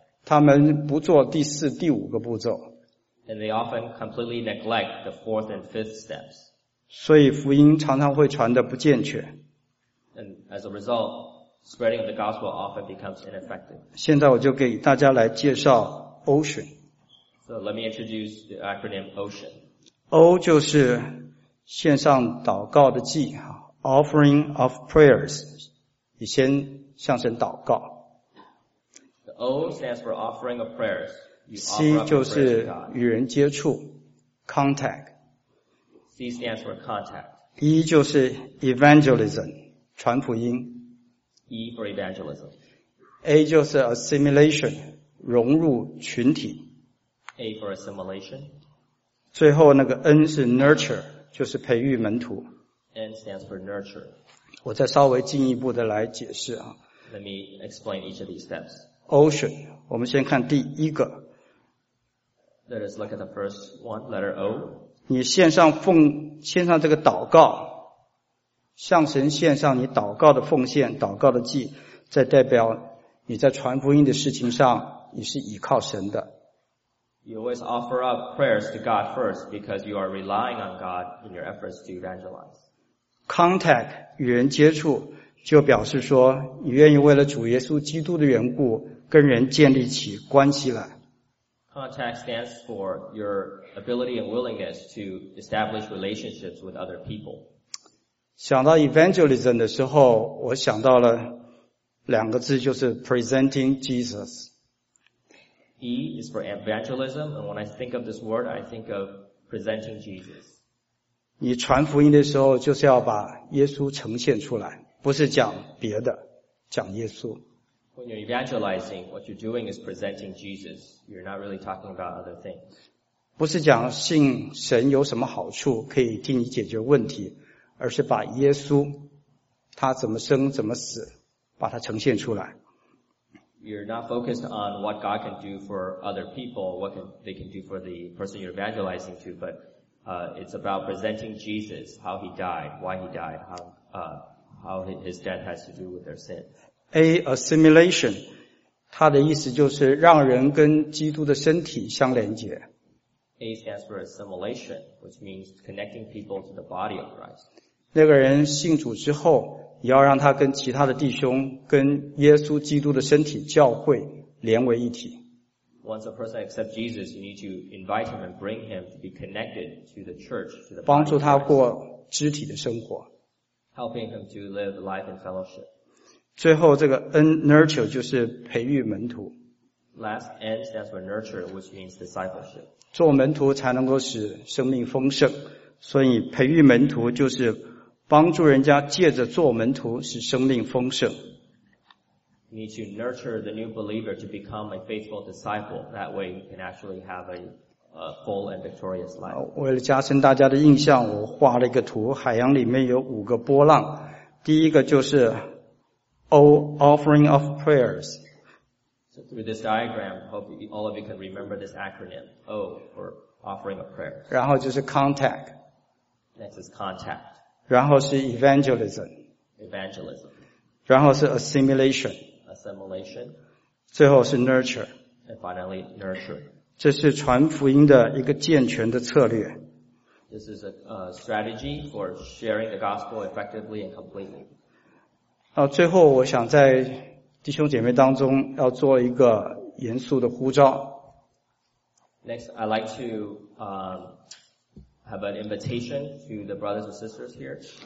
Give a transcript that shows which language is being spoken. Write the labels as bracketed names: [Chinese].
[Chinese] 他们不做第四、第五个步骤。 [English] And they often completely neglect the fourth and fifth steps. [Chinese] 所以福音常常会传得不健全。 [English] And as a result,Spreading of the gospel often becomes ineffective. [Chinese] 现在我就给大家来介绍 Ocean. [English] So let me introduce the acronym Ocean. [Chinese] O 就是献上祷告的祭 , [English] offering of prayers. [Chinese] 你先向神祷告。 [English] The O stands for offering of prayers. [Chinese] C 就是与人接触 ,contact. [English] C stands for contact. [Chinese] E 就是 evangelism, 传福音。 [English] E for evangelism. [Chinese] A 就是 assimilation, 融入群体。 [English] A for assimilation. [Chinese] 最后那个 N 是 nurture, 就是培育门徒。 [English] N stands for nurture. [Chinese] 我再稍微进一步的来解释啊。 [English] Let me explain each of these steps. [Chinese] Ocean, 我们先看第一个。 [English] Let us look at the first one, letter O. [Chinese] 你献上这个祷告，向神献上你祷告的奉献，祷告的祭，再代表你在传福音的事情上，你是依靠神的。 [English] You always offer up prayers to God first because you are relying on God in your efforts to evangelize. [Chinese] Contact, 与人接触，就表示说你愿意为了主耶稣基督的缘故跟人建立起关系来。 [English] Contact stands for your ability and willingness to establish relationships with other people. [Chinese] 想到 evangelism 的时候，我想到了两个字，就是 [English] presenting Jesus. E is for evangelism, and when I think of this word, I think of presenting Jesus. [Chinese] 你传福音的时候就是要把耶稣呈现出来，不是讲别的，讲耶稣。 [English] When you're evangelizing, what you're doing is presenting Jesus. You're not really talking about other things. [Chinese] 不是讲信神有什么好处可以替你解决问题，而是把耶稣他怎么生怎么死把它呈现出来。 [English] You're not focused on what God can do for other people, what they can do for the person you're evangelizing to, but it's about presenting Jesus, how he died, why he died, how his death has to do with their sin. [Chinese] Assimilation, 它的意思就是让人跟基督的身体相连接。 [English] A stands for assimilation, which means connecting people to the body of Christ. [Chinese] 那个人信主之后你要让他跟其他的弟兄跟耶稣基督的身体教会连为一体。 [English] Once a person accepts Jesus, you need to invite him and bring him to be connected to the church, to the body. [Chinese] 帮助他过肢体的生活。 [English] Helping him to live life in fellowship. [Chinese] 最后这个 N nurture 就是培育门徒。 [English] Last N stands for nurture, which means discipleship. [Chinese] 做门徒才能够使生命丰盛，所以培育门徒就是帮助人家借着做门徒使生命丰盛。 [English] You need to nurture the new believer to become a faithful disciple. That way you can actually have a full and victorious life. [Chinese] 为了加深大家的印象，我画了一个图，海洋里面有五个波浪。第一个就是 O, [English] offering of prayers. So through this diagram, hope all of you can remember this acronym, O, for offering of prayers. [Chinese] 然后就是 contact. [English] Next is contact. [Chinese] 然后是 evangelism, 然后是 assimilation, 最后是 nurture, [English] and finally nurture. [Chinese] 这是传福音的一个健全的策略。 [English] This is a strategy for sharing the gospel effectively and completely. [Chinese] 最后我想在弟兄姐妹当中要做一个严肃的呼召。 [English] Next, I'd like to, have an invitation to the brothers and sisters here.